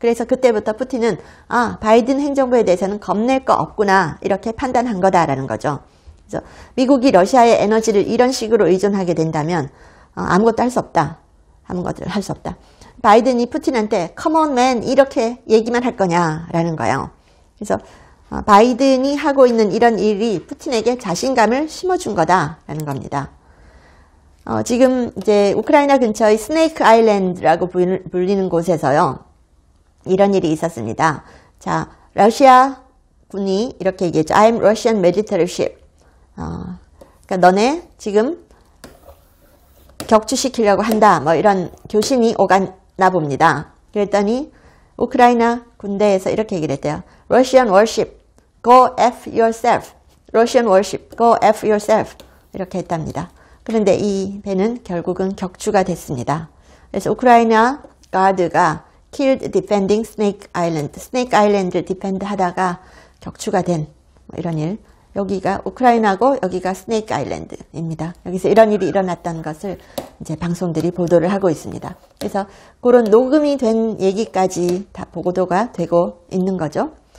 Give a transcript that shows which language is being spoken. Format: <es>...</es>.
<ko>그래서 그때부터 푸틴은 아, 바이든 행정부에 대해서는 겁낼 거 없구나. 이렇게 판단한 거다라는 거죠. 그래서 미국이 러시아의 에너지를 이런 식으로 의존하게 된다면 아무것도 할수 없다. 아무것도 할수 없다. 바이든이 푸틴한테</ko> <en>Come on, man.</en> <ko>이렇게 얘기만 할 거냐라는 거예요. 그래서 바이든이 하고 있는 이런 일이 푸틴에게 자신감을 심어준 거다라는 겁니다. 지금 이제 우크라이나 근처의 스네이크 아일랜드라고 불리는 곳에서요. 이런 일이 있었습니다. 자, 러시아 군이 이렇게 얘기했죠.</ko> <en>I'm Russian military ship.</en> <ko>그러니까 너네 지금 격추시키려고 한다. 뭐 이런 교신이 오갔나 봅니다. 그랬더니 우크라이나 군대에서 이렇게 얘기를 했대요.</ko> <en>Russian warship, go F yourself. Russian warship, go F yourself.</en> <ko>이렇게 했답니다. 그런데 이 배는 결국은 격추가 됐습니다. 그래서 우크라이나 가드가</ko> <en>killed defending Snake Island.</en> <ko>Snake Island을 defend 하다가 격추가 된 이런 일. 여기가 우크라이나고 여기가 Snake Island입니다. 여기서 이런 일이 일어났다는 것을 이제 방송들이 보도를 하고 있습니다. 그래서 그런 녹음이 된 얘기까지 다 보도가 되고 있는 거죠.</ko>